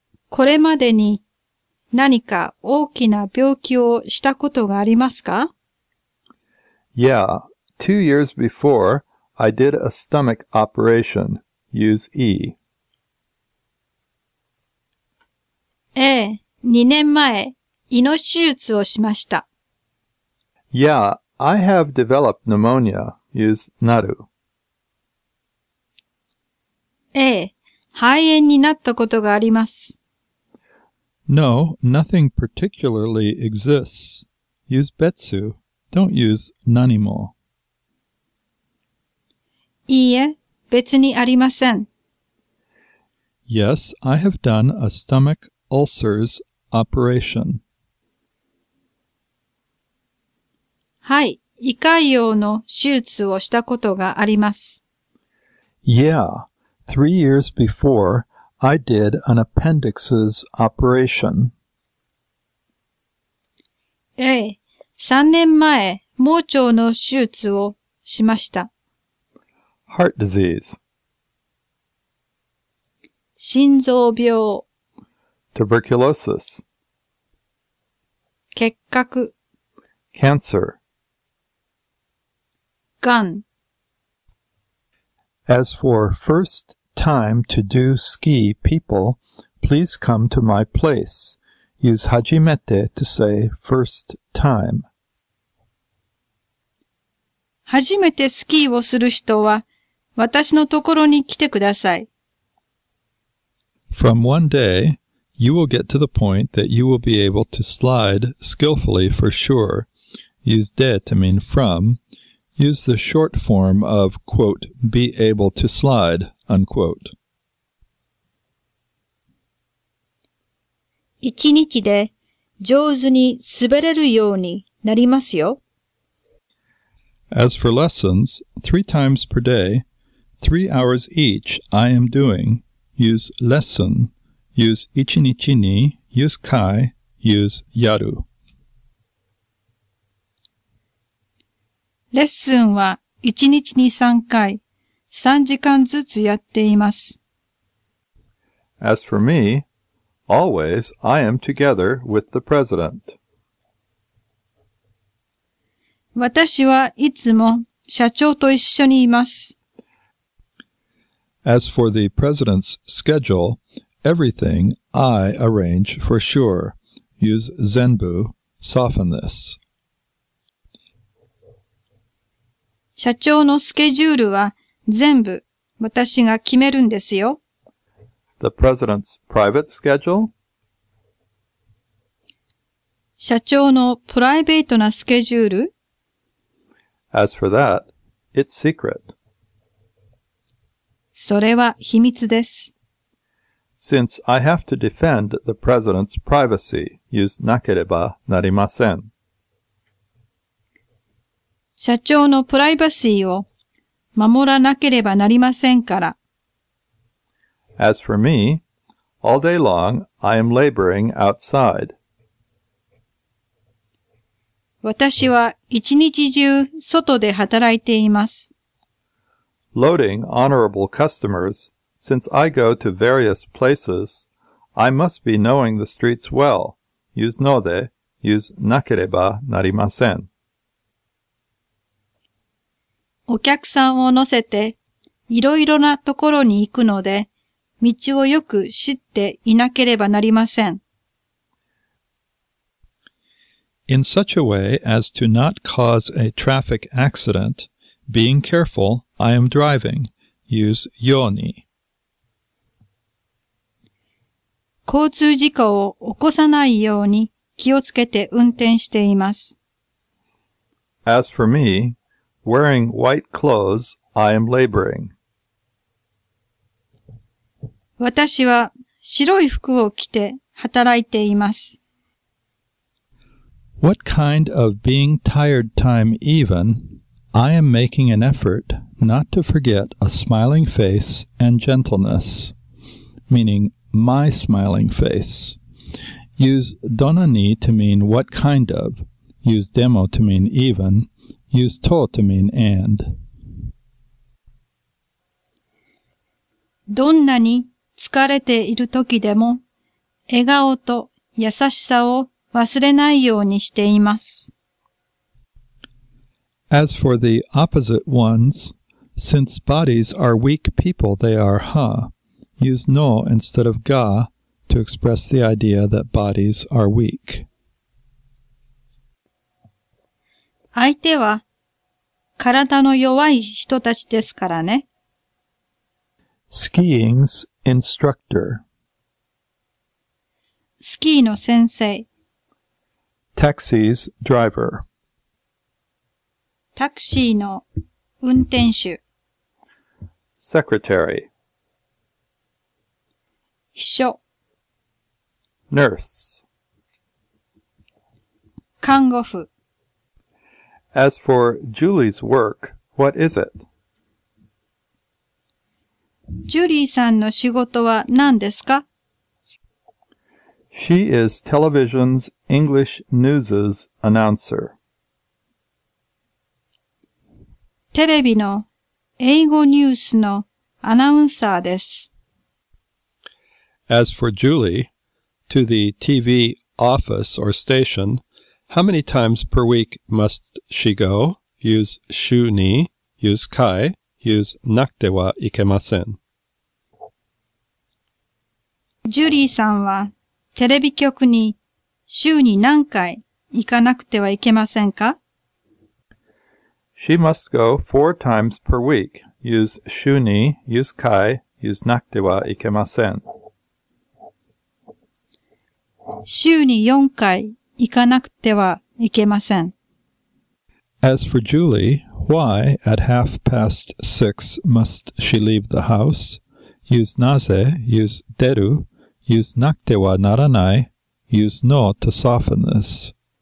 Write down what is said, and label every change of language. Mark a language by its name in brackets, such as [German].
[Japanese] これまでに何か大きな病気をしたことがありますか? [English] Yeah. 2 years before, I did a stomach operation. Use E. [Japanese] ええ、二年前、胃の手術をしました。 [English] Yeah, I have developed pneumonia. Use Naru. [Japanese] ええ、肺炎になったことがあります。 [English] No, nothing particularly exists. Use Betsu. Don't use Nanimo. [Japanese] いいえ、別にありません。 [English] Yes, I have done a stomach ulcers operation. [Japanese] はい、胃潰瘍の手術をしたことがあります。 [English] Yeah, 3 years before, I did an appendixes operation. [Japanese] ええ、3年前、盲腸の手術をしました。 [English] Heart disease. [Japanese] 心臓病 [English] Tuberculosis. [Japanese] 結核 [English] Cancer. [Japanese] がん [English] As for first time to do ski people, please come to my place. Use hajimete to say first time. [Japanese] 初めてスキーをする人は私のところに来てください。 [English] From one day, you will get to the point that you will be able to slide skillfully for sure. Use de to mean from. Use the short form of, quote, be able to slide, unquote. [Japanese] 一日で上手に滑れるようになりますよ。 [English] As for lessons, three times per day, 3 hours each, I am doing. Use lesson. Use 一日に, use 回, use やる. [Japanese] レッスンは一日に三回、三時間ずつやっています。 [English] As for me, always I am together with the president. [Japanese] 私はいつも社長と一緒にいます。 [English] As for the president's schedule, everything I arrange for sure. Use 全部, soften this. [Japanese] 社長のスケジュールは全部私が決めるんですよ。 [English] The president's private schedule? [Japanese] 社長のプライベートなスケジュール? [English] As for that, it's secret. [Japanese] それは秘密です。 [English] Since I have to defend the president's privacy, use なければなりません。 [Japanese] 社長のプライバシーを守らなければなりませんから。 [English] As for me, all day long I am laboring outside. [Japanese] 私は一日中外で働いています。 [English] Loading honorable customers, since I go to various places, I must be knowing the streets well. Use ので, use なければなりません。 [Japanese] お客さんを乗せていろいろなところに行くので、道をよく知っていなければなりません。 [English] In such a way as to not cause a traffic accident, being careful, I am driving. Use ように. [Japanese] 交通事故を起こさないように気をつけて運転しています。 [English] As for me, wearing white clothes, I am laboring. [Japanese] 私は白い服を着て働いています。 [English] What kind of being tired time even, I am making an effort not to forget a smiling face and gentleness, meaning my smiling face. Use dona ni to mean what kind of, use demo to mean even, use to to mean and. [Japanese] どんなに疲れている時でも、笑顔と優しさを忘れないようにしています。 [English] As for the opposite ones, since bodies are weak people, they are huh. Use no instead of ga to express the idea that bodies are weak. [Japanese] 相手は体の弱い人たちですからね。 [English] Skiing's instructor. [Japanese] スキーの先生。 [English] Taxi's driver. [Japanese] タクシーの運転手. [English] Secretary. [Japanese] 秘書. [English] Nurse. [Japanese] 看護婦. [English] As for Julie's work, what is it? [Japanese] ジュリーさんの仕事は何ですか? [English] She is television's English news's announcer. [Japanese] テレビの英語ニュースのアナウンサーです。 [English] As for Julie, to the TV office or station, how many times per week must she go? Use 週に, use 回, use なくてはいけません。 [Japanese] ジュリーさんはテレビ局に週に何回行かなくてはいけませんか? [English] She must go 4 times per week. Use 週に、use 回、use なくてはいけません。 [Japanese] 週に4回行かなくてはいけません。 [English] As for Julie, why at 6:30 must she leave the house? Use なぜ、use 出る、use なくてはならない、use のto soften this.